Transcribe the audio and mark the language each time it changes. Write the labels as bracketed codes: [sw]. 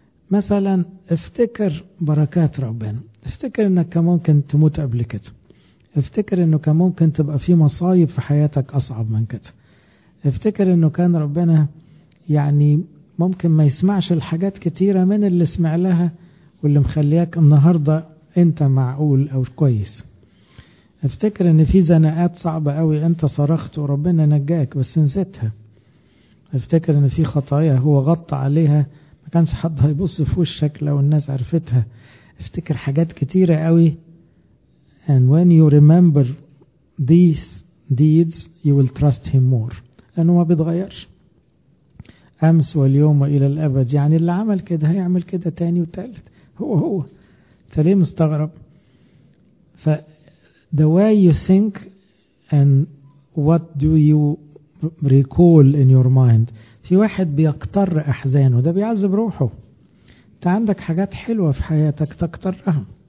[ar] مثلا افتكر بركات ربنا، افتكر انك كان ممكن تموت قبل كده، افتكر انه كان ممكن تبقى في مصايب في حياتك اصعب من كده، افتكر انه كان ربنا يعني ممكن ما يسمعش الحاجات كتيرة من اللي سمع لها واللي مخليك النهاردة انت معقول او كويس. افتكر ان في زنقات صعبة قوي انت صرخت وربنا نجاك بس نسيتها. افتكر ان في خطايا هو غطى عليها ما كانش حد هيبص في وشك لو الناس عرفتها. افتكر حاجات كتيرة قوي. [en] And when you remember these deeds you will trust him more. [ar] لانه ما بيتغيرش امس واليوم والى الابد. يعني اللي عمل كده هيعمل كده تاني وتالت، هو فليه مستغرب؟ ف [en] the way you think and what do you recall in your mind. [ar] في واحد بيقتر احزانه، ده بيعذب روحه. انت عندك حاجات حلوه في حياتك تقترها.